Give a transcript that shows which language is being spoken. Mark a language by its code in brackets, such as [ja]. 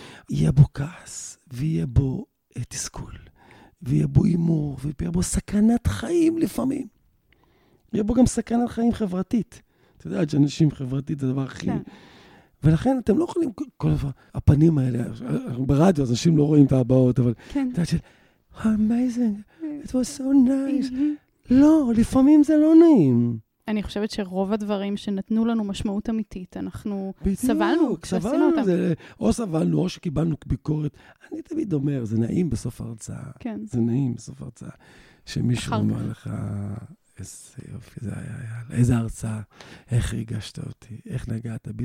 [he] יהיה בו כעס, ויהיה בו תסכול, ויהיה בו אימור, ויהיה בו סכנת חיים לפעמים. יהיה בו גם סכנת חיים חברתית. אתה יודעת שאנשים חברתית זה הדבר הכי... ולכן אתם לא יכולים, כל הפנים האלה, ברדיו, אז אנשים לא רואים את הבאות, אבל... כן. אתה יודע, [en] amazing, it was so nice. [he] לא, לפעמים זה לא נעים. אני חושבת שרוב הדברים שנתנו לנו משמעות אמיתית, אנחנו סבלנו כשעשינו אותם. או סבלנו, או שקיבלנו ביקורת. אני תמיד אומר, זה נעים בסוף ההרצאה. כן. זה נעים בסוף ההרצאה. שמישהו אומר לך, איזה יופי זה היה, איזה הרצאה, איך ריגשת אותי, איך נגעת בי.